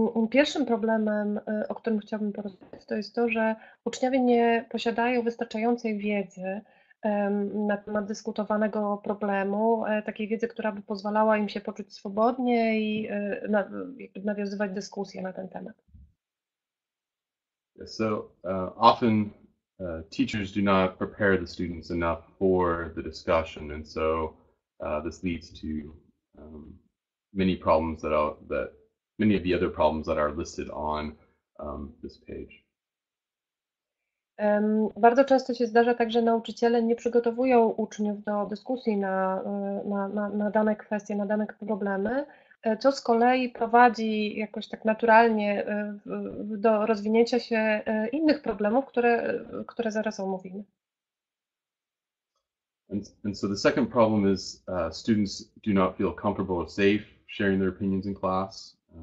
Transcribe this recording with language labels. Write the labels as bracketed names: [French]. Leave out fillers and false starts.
[Polish] Pierwszym problemem, o którym chciałabym porozmawiać, to jest to, że uczniowie nie posiadają wystarczającej wiedzy na temat dyskutowanego problemu, takiej wiedzy, która by pozwalała im się poczuć swobodnie i nawiązywać dyskusję na ten temat. [English] So often teachers do not prepare the students enough for the discussion, and so this leads to many problems many of the other problems that are listed on this page. [Polish] Bardzo często się zdarza tak, że nauczyciele nie przygotowują uczniów do dyskusji na dane kwestie, na dane problemy, co z kolei prowadzi jakoś tak naturalnie do rozwinięcia się innych problemów, które zaraz omówimy. [English] And so the second problem is students do not feel comfortable or safe sharing their opinions in class.